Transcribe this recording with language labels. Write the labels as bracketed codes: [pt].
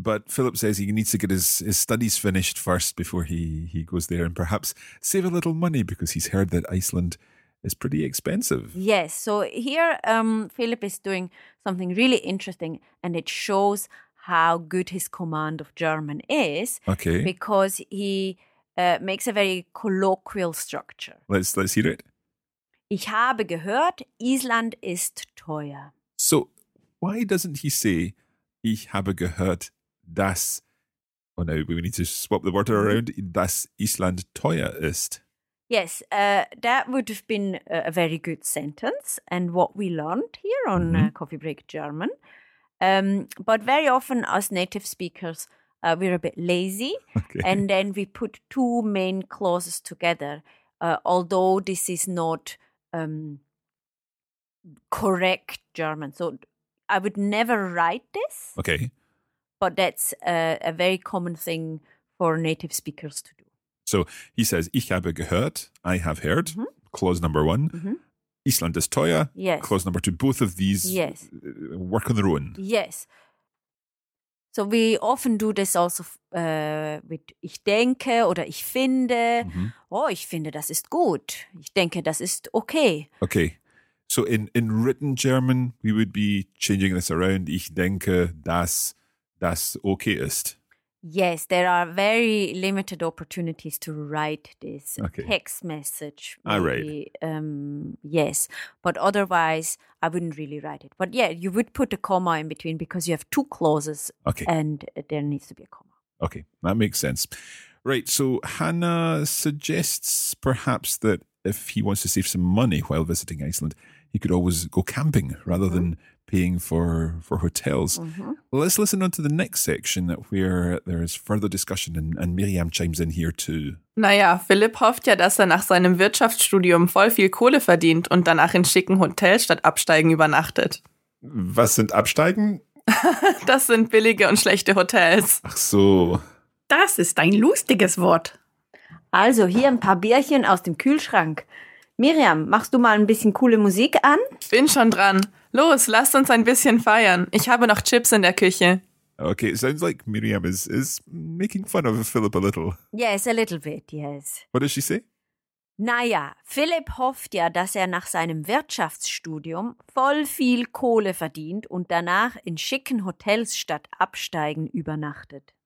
[en] But Philip says he needs to get his studies finished first before he goes there and perhaps save a little money because he's heard that Iceland is pretty expensive. Yes. So here, Philip is doing something really interesting and it shows how good his command of German is. Okay. Because he makes a very colloquial structure. Let's hear it. [de] Ich habe gehört, Island ist teuer. [en] So why doesn't he say, [de] ich habe gehört, dass, [en] oh no, we need to swap the word around, [de] dass Island teuer ist. [en] Yes, that would have been a very good sentence. And what we learned here on mm-hmm. Coffee Break German. But very often us native speakers We're a bit lazy. Okay. And then we put two main clauses together. Although this is not correct German. So I would never write this. Okay. But that's a very common thing for native speakers to do. So he says, [de] ich habe gehört, [en] I have heard, mm-hmm. clause number one. Mm-hmm. [de] Island ist teuer, [en] yes. clause number two. Both of these yes. work on their own. Yes. So we often do this also with [de] ich denke oder ich finde. [en] Mm-hmm. [de] Oh, ich finde, das ist gut. Ich denke, das ist okay. [en] Okay. So in written German, we would be changing this around. [de] Ich denke, dass das okay ist. [en] Yes, there are very limited opportunities to write this okay. text message. Maybe. I write. Yes, but otherwise I wouldn't really write it. But yeah, you would put a comma in between because you have two clauses okay. and there needs to be a comma. Okay, that makes sense. Right, so Hannah suggests perhaps that if he wants to save some money while visiting Iceland, he could always go camping rather mm-hmm. than paying for hotels. Mm-hmm. Let's listen on to the next section where there is further discussion and Miriam chimes in here too. [de] Naja, Philipp hofft ja, dass nach seinem Wirtschaftsstudium voll viel Kohle verdient und danach in schicken Hotels statt Absteigen übernachtet. Was sind Absteigen? Das sind billige und schlechte Hotels. Ach so. Das ist ein lustiges Wort. Also, hier ein paar Bierchen aus dem Kühlschrank. Miriam, machst du mal ein bisschen coole Musik an? Bin schon dran. Los, lasst uns ein bisschen feiern. Ich habe noch Chips in der Küche. [en] Okay, it sounds like Miriam is making fun of Philip a little. Yes, a little bit, yes. What does she say? [de] Naja, Philipp hofft ja, dass nach seinem Wirtschaftsstudium voll viel Kohle verdient und danach in schicken Hotels statt Absteigen übernachtet.